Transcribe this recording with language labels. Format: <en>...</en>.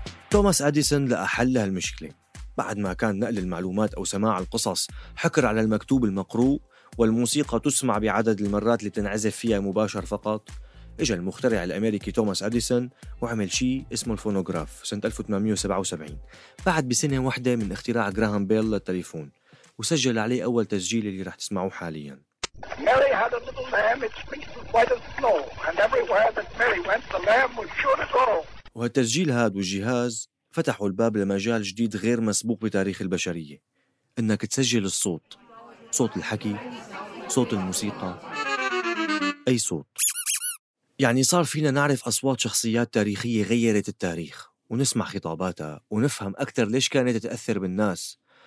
<ar>توماس أديسون لأحل هالمشكلة بعد ما كان نقل المعلومات أو سماع القصص حكر على المكتوب المقروء والموسيقى تسمع بعدد المرات اللي تنعزف فيها مباشر فقط. إجا المخترع الأمريكي توماس أديسون وعمل شيء اسمه الفونوغراف سنة 1877 بعد بسنة واحدة من اختراع جراهام بيل للتليفون، وسجل عليه أول تسجيل اللي راح تسمعوه حاليا.</ar> <en>Mary had a little lamb, its fleece was white as snow, and everywhere that Mary went, the lamb was sure to go.</en> <ar>وهالتسجيل هاد والجهاز فتحوا الباب لمجال جديد غير مسبوق بتاريخ البشرية، إنك تسجل الصوت، صوت الحكي، صوت الموسيقى، أي صوت. يعني صار فينا نعرف أصوات شخصيات تاريخية غيرت التاريخ، ونسمع خطاباتها ونفهم أكثر ليش كانت تتأثر بالناس.</ar>